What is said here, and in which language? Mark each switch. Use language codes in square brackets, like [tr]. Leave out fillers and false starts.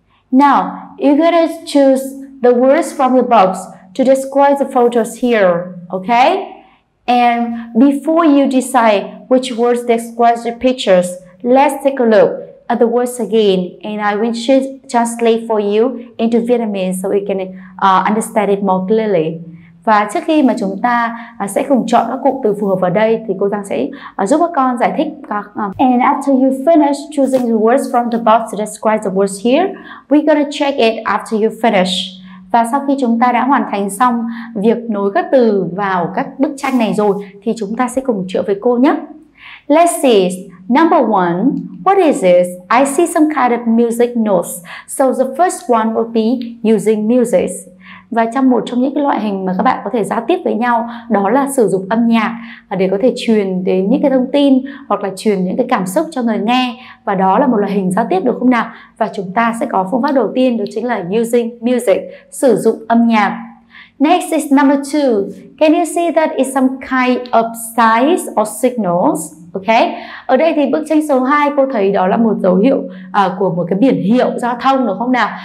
[en] Now, you're gonna choose the words from the box to describe the photos here, okay? And before you decide which words describe the pictures, let's take a look at the words again, and I will translate for you into Vietnamese so we can understand it more clearly. [vi] Và trước khi mà chúng ta sẽ cùng chọn các cụm từ phù hợp vào đây thì cô Giang sẽ giúp các con giải thích các [en] And after you finish choosing the words from the box to describe the words here, we're gonna check it after you finish. [vi] Và sau khi chúng ta đã hoàn thành xong việc nối các từ vào các bức tranh này rồi thì chúng ta sẽ cùng chữa với cô nhé. [en] Let's see. Number one, what is this? I see some kind of music notes. So the first one will be using music. [vi] Và trong một trong những cái loại hình mà các bạn có thể giao tiếp với nhau, đó là sử dụng âm nhạc để có thể truyền đến những cái thông tin hoặc là truyền những cái cảm xúc cho người nghe. Và đó là một loại hình giao tiếp được không nào? Và chúng ta sẽ có phương pháp đầu tiên, đó chính là using music, sử dụng âm nhạc. [en] Next is number two. Can you see that is some kind of signs or signals? Okay. [vi] Ở đây thì bức tranh số 2 cô thấy đó là một dấu hiệu của một cái biển hiệu giao thông được không nào?